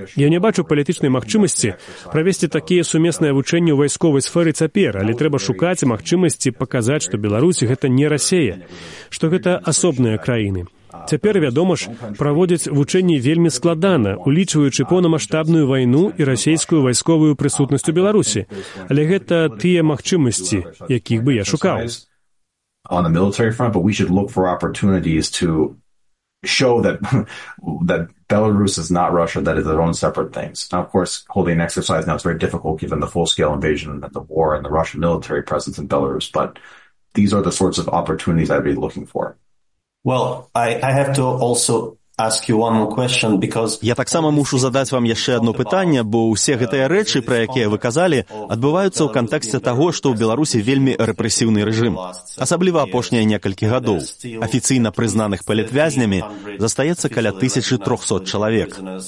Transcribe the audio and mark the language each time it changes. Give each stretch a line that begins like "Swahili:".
Belarusian: Я не бачу палітычнай магчымасці правесці такія сумесныя вучэнні ў вайсковай сферы цяпер, але трэба шукаць магчымасці паказаць, што Беларусь гэта не Расія, што гэта асобныя краіны. Цяпер, вядома ж, праводзяць вучэнні вельмі складана, улічваючы поўнамаштабную вайну і расейскую вайсковую прысутнасць у Беларусі. Але гэта тыя магчымасці, якіх бы я шукаў.
English: On the military front, but we should look for opportunities to show that Belarus is not Russia, that is their own separate things. Now, of course, holding an exercise now is very difficult given the full-scale invasion and the war and the Russian military presence in Belarus, but these are the sorts of opportunities I'd be looking for. Well, I have to also ask you one more question, because...
Belarusian: Я таксама мушу задаць вам яшчэ адно пытанне, бо ўсе гэтыя рэчы, пра якія вы казалі, адбываюцца ў кантэксце таго, што ў Беларусі вельмі рэпрэсіўны рэжым. Асабліва апошнія некалькі гадоў. Афіцыйна прызнаных палітвязнямі застаецца каля 1300 чалавек.